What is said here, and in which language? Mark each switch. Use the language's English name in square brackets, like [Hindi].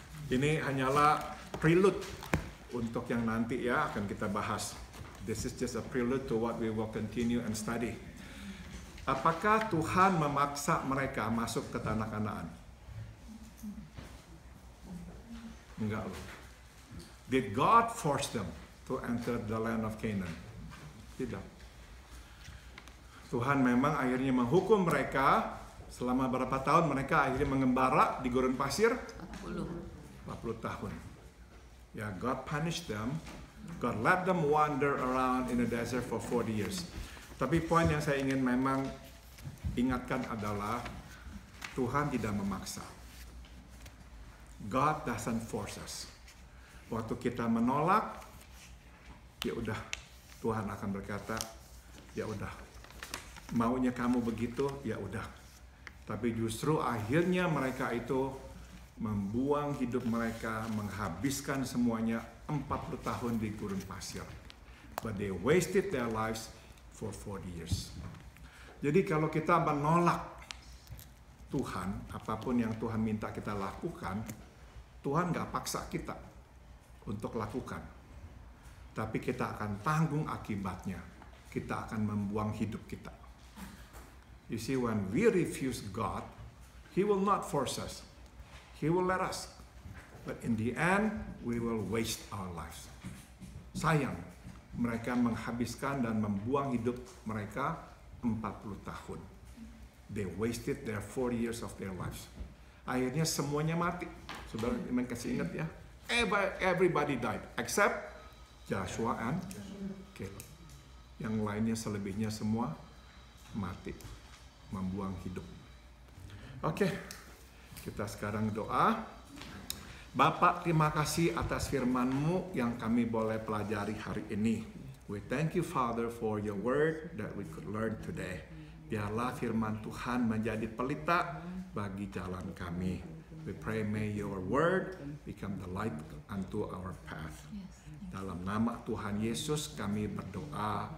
[Indonesian] Ini hanyalah prelude untuk yang nanti ya akan kita bahas. [English] This is just a prelude to what we will continue and study. [Indonesian] Apakah Tuhan memaksa mereka masuk ke tanah Kanaan? Enggak loh. [English] Did God force them to enter the land of Canaan? [Indonesian] Tidak. Tuhan memang akhirnya menghukum mereka. Selama berapa tahun mereka akhirnya mengembara di gurun pasir? 40 tahun. Ya, [English] God punished them. God let them wander around in the desert for 40 years. [Indonesian] Tapi poin yang saya ingin memang ingatkan adalah Tuhan tidak memaksa. [English] God doesn't force us. [Indonesian] Waktu kita menolak, ya udah, Tuhan akan berkata, ya udah, maunya kamu begitu, ya udah. Tapi justru akhirnya mereka itu membuang hidup mereka, menghabiskan semuanya 40 tahun di gurun pasir. [English] But they wasted their lives for 40 years. [Indonesian] Jadi kalau kita menolak Tuhan, apapun yang Tuhan minta kita lakukan, Tuhan gak paksa kita untuk lakukan. Tapi kita akan tanggung akibatnya. Kita akan membuang hidup kita. [English] You see, when we refuse God, He will not force us. He will let us. But in the end, we will waste our lives. [Indonesian] Sayang, mereka menghabiskan dan membuang hidup mereka 40 tahun. [English] They wasted their 40 years of their lives. [Indonesian] Akhirnya semuanya mati. Saudara, iman kasih ingat ya. [English] Everybody died, except Joshua and Caleb. [Indonesian] Yang lainnya selebihnya semua mati. Membuang hidup. Oke, kita sekarang doa. Bapa, terima kasih atas firman-Mu yang kami boleh pelajari hari ini. [English] We thank you, Father, for your word that we could learn today. [Indonesian] Biarlah firman Tuhan menjadi pelita bagi jalan kami. [English] We pray may your word become the light unto our path. [Indonesian] Dalam nama Tuhan Yesus kami berdoa.